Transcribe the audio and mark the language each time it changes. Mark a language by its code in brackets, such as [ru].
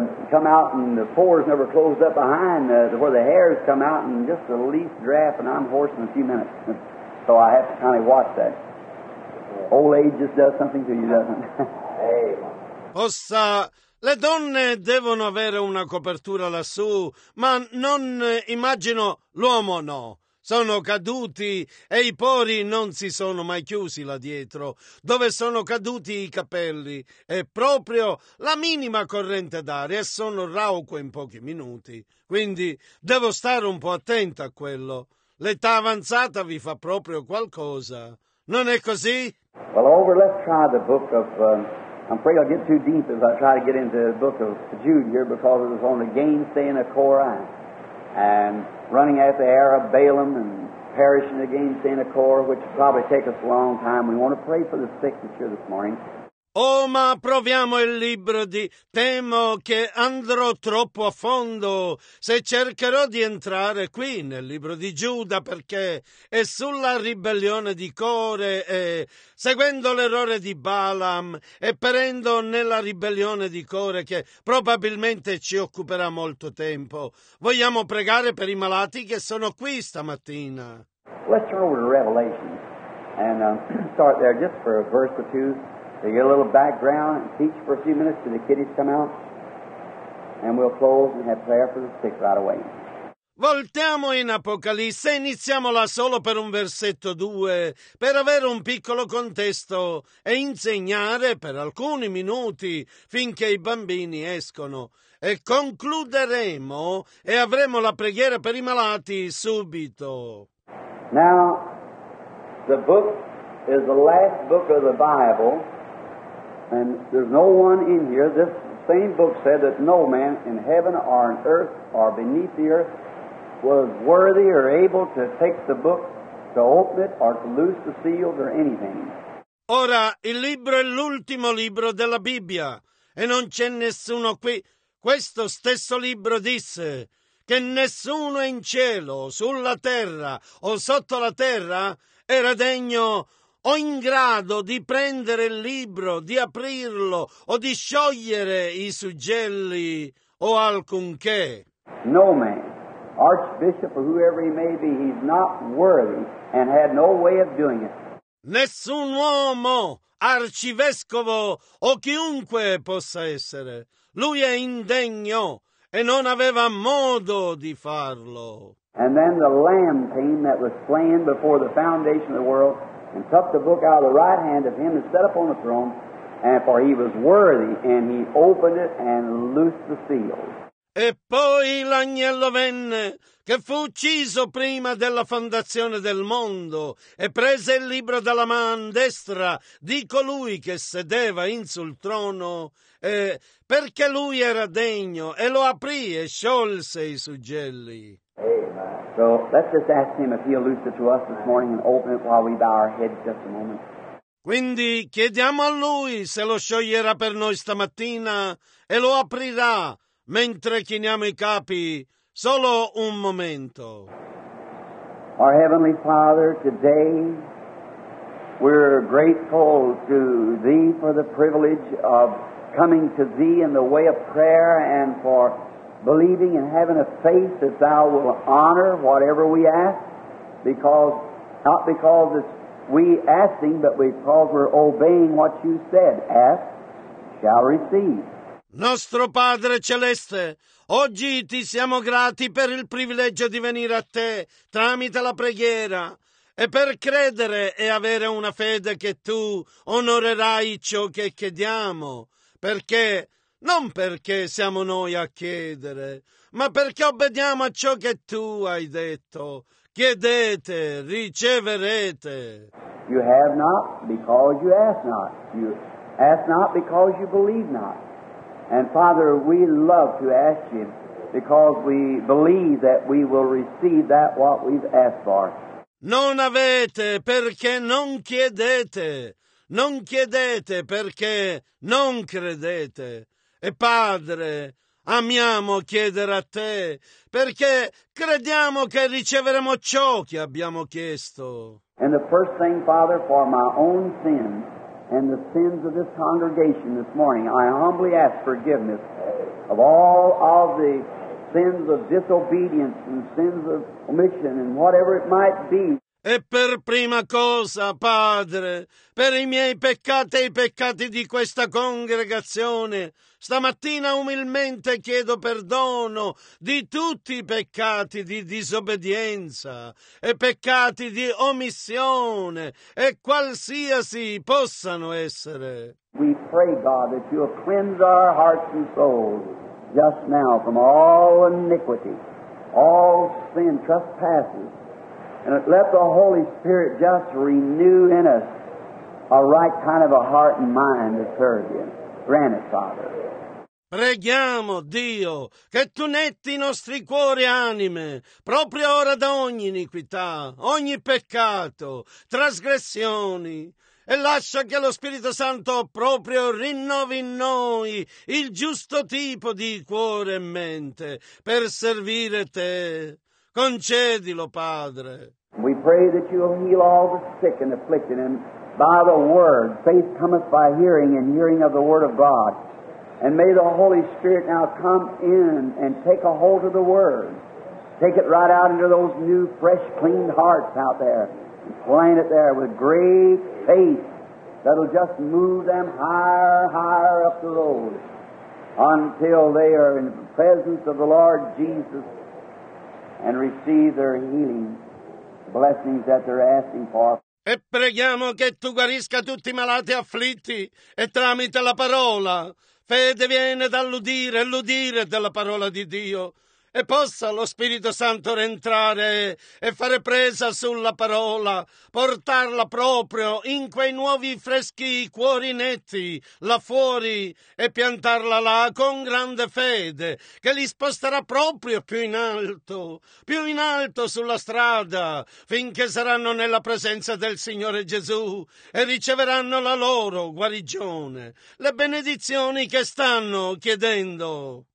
[en] come out and the pores never closed up behind where the hairs come out and just the least draft and I'm hoarse in a few minutes. So I have to kind of watch that. Old age just does something to you, doesn't it? [it] Possa, le donne devono avere una copertura lassù, ma non immagino l'uomo no. Sono caduti e i pori non si sono mai chiusi là dietro, dove sono caduti i capelli. È proprio la minima corrente d'aria e sono rauco in pochi minuti. Quindi devo stare un po' attento a quello. L'età avanzata vi fa proprio qualcosa. Non è così? [en] Well, over, let's try the book of... I'm afraid I'll get too deep if I try to get into the book of Jude here because it was on the gainsaying of Korah and running after the Arab Balaam and perishing against the Korah, which will probably take us a long time. We want to pray for the sick that's here this morning. [it] Oh, ma proviamo il libro di... Temo che andrò troppo a fondo se cercherò di entrare qui nel libro di Giuda, perché è sulla ribellione di Core e seguendo l'errore di Balaam e perendo nella ribellione di Core che probabilmente ci occuperà molto tempo. Vogliamo pregare per i malati che sono qui stamattina. [en] Let's turn over to Revelation and start there just for a verse or two. They get a little background and teach for a few minutes till the kiddies come out. And we'll close and have prayer for the sick right away. [it] Voltiamo in Apocalisse, iniziamola solo per un versetto due, per avere un piccolo contesto e insegnare per alcuni minuti finché i bambini escono. E concluderemo e avremo la preghiera per i malati subito. [en] Now, the book is the last book of the Bible. And there's no one in here. This same book said that no man in heaven or on earth or beneath the earth was worthy or able to take the book, to open it or to loose the seals or anything. [it] Ora, il libro è l'ultimo libro della Bibbia e non c'è nessuno qui. Questo stesso libro disse che nessuno in cielo, sulla terra o sotto la terra era degno o in grado di prendere il libro, di aprirlo, o di sciogliere i suggelli, o alcunché. [en] No man, archbishop or whoever he may be, he's not worthy and had no way of doing it. [it] Nessun uomo, arcivescovo o chiunque possa essere. Lui è indegno e non aveva modo di farlo. [en] And then the Lamb came that was slain before the foundation of the world and took the book out of the right hand of him and set up on the throne, and for he was worthy, and he opened it and loosed the seals. [it] E poi l'agnello venne, che fu ucciso prima della fondazione del mondo, e prese il libro dalla mano destra di colui che sedeva in sul trono, e perché lui era degno, e lo aprì e sciolse i suggelli. [en] Amen. So let's just ask him if he'll loose it to us this morning and open it while we bow our heads just a moment. [it] Quindi chiediamo a lui se lo scioglierà per noi stamattina e lo aprirà mentre chiniamo i capi. Solo un momento. [en] Our Heavenly Father, today we're grateful to Thee for the privilege of coming to Thee in the way of prayer and for believing and having a faith that Thou will honor whatever we ask, because not because it's we asking, but because we're obeying what You said. Ask, shall receive. [it] Nostro Padre Celeste, oggi Ti siamo grati per il privilegio di venire a Te tramite la preghiera e per credere e avere una fede che Tu onorerai ciò che chiediamo, perché non perché siamo noi a chiedere, ma perché obbediamo a ciò che Tu hai detto. Chiedete, riceverete. [en] You have not because you ask not. You ask not because you believe not. And Father, we love to ask You because we believe that we will receive that what we've asked for. [it] Non avete perché non chiedete. Non chiedete perché non credete. E Padre, amiamo chiedere a Te perché crediamo che riceveremo ciò che abbiamo chiesto. [en] And the first thing, Father, for my own sins and the sins of this congregation this morning, I humbly ask forgiveness of all of the sins of disobedience and sins of omission and whatever it might be. [it] E per prima cosa, Padre, per i miei peccati e i peccati di questa congregazione, stamattina umilmente chiedo perdono di tutti i peccati di disobbedienza e peccati di omissione e qualsiasi possano essere. [en] We pray, God, that You will cleanse our hearts and souls just now from all iniquity, all sin, trespasses. And let the Holy Spirit just renew in us a right kind of a heart and mind to serve You. Grant it, Father. [it] Preghiamo, Dio, che Tu netti i nostri cuori e anime, proprio ora da ogni iniquità, ogni peccato, trasgressioni, e lascia che lo Spirito Santo proprio rinnovi in noi il giusto tipo di cuore e mente per servire Te. Concedilo, Padre. [en] We pray that You will heal all the sick and afflicted, and by the Word, faith cometh by hearing, and hearing of the Word of God. And may the Holy Spirit now come in and take a hold of the Word. Take it right out into those new, fresh, clean hearts out there, and plant it there with great faith that'll just move them higher, higher up the road until they are in the presence of the Lord Jesus and receive their healing, the blessings that they're asking for. [it] E preghiamo che Tu guarisca tutti i malati afflitti e tramite la parola. Fede viene dall'udire, l'udire della parola di Dio. E possa lo Spirito Santo rientrare e fare presa sulla parola, portarla proprio in quei nuovi freschi cuori netti là fuori e piantarla là con grande fede, che li sposterà proprio più in alto sulla strada, finché saranno nella presenza del Signore Gesù e riceveranno la loro guarigione, le benedizioni che stanno chiedendo.